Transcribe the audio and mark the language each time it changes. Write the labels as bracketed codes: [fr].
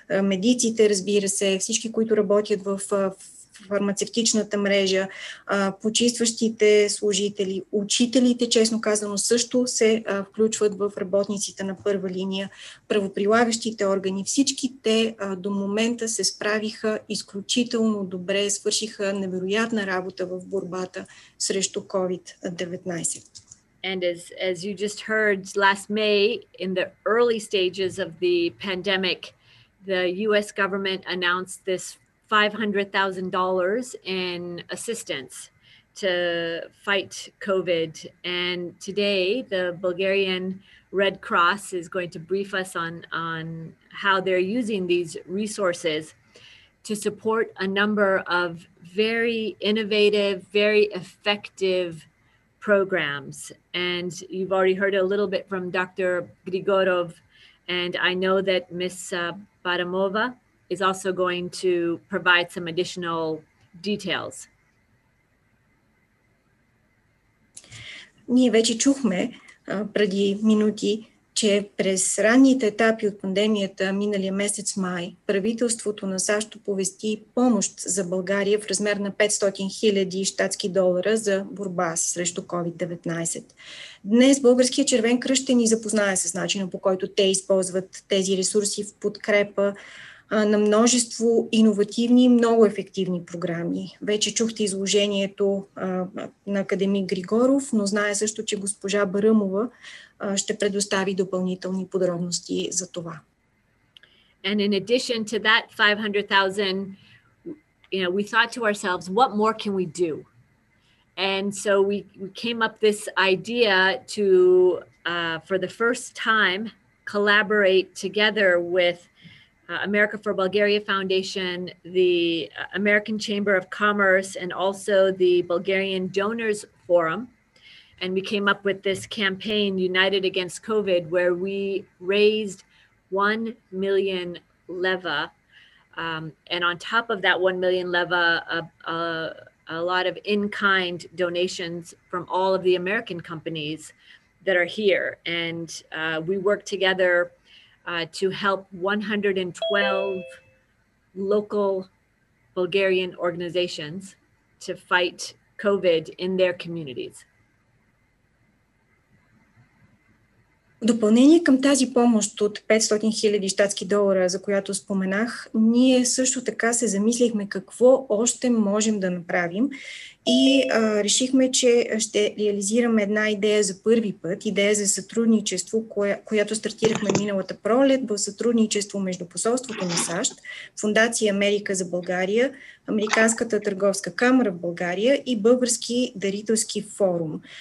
[bg] Медиците, разбира се, всички, които работят в фармацевтичната мрежа, почистващите служители, учителите, честно казано, също се включват в работниците на първа линия, правоприлагащите органи. Всички те до момента се справиха изключително добре, свършиха невероятна работа в борбата срещу COVID-19. [en] And as you just heard last May, in the early stages of the pandemic, the US government announced this $500,000 in assistance to fight COVID. And today, the Bulgarian Red Cross is going to brief us on how they're using these resources to support a number of very innovative, very effective programs. And you've already heard a little bit from Dr. Grigorov, and I know that Ms. Baramova is also going to provide some additional details. [bg] Ние вече чухме преди минути, че през ранните етапи от пандемията, миналия месец май, правителството на САЩ оповести помощ за България в размер на 500 000 щатски долара за борба срещу COVID-19. Днес Българския Червен кръст ще ни запознае с начина, по който те използват тези ресурси в подкрепа на множество иновативни и много ефективни програми. Вече чухте изложението на академик Григоров, но знае също, че госпожа Барамова ще предостави допълнителни подробности за това. [en] And in addition to that 500,000, you know, we thought to ourselves, what more can we do? And so we came up this idea to for the first time collaborate together with America for Bulgaria Foundation, the American Chamber of Commerce, and also the Bulgarian Donors Forum. And we came up with this campaign, United Against COVID, where we raised 1 million leva. And on top of that 1 million leva, a lot of in-kind donations from all of the American companies that are here. And we work together to help 112 local Bulgarian organizations to fight COVID in their communities. [bg] Допълнение към тази помощ от 500 000 щатски долара, за която споменах, ние също така се замислихме какво още можем да направим и решихме, че ще реализираме една идея за първи път, идея за сътрудничество, която стартирахме миналата пролет в сътрудничество между посолството на САЩ, Фондация Америка за България, Американската търговска камера в България и Български дарителски форум.